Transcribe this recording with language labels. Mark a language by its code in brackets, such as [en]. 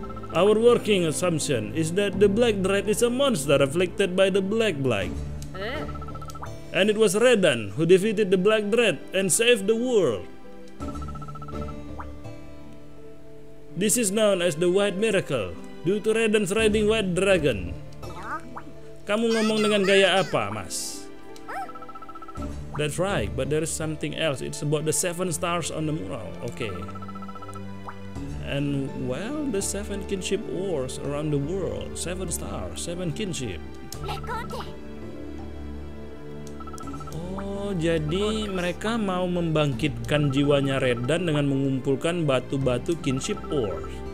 [en] Our working assumption is that the black dread is a monster afflicted by the black blight. And it was Redan who defeated the black dread and saved the world. This is known as the white miracle due to Redan's riding white dragon. [id] Kamu ngomong dengan gaya apa, Mas? [en] That's right, but there is something else. It's about the seven stars on the mural. Okay. And well, the seven kinship wars around the world. Seven stars, seven kinship. [id] Oh, jadi mereka mau membangkitkan jiwanya Redan dengan mengumpulkan batu-batu kinship ores.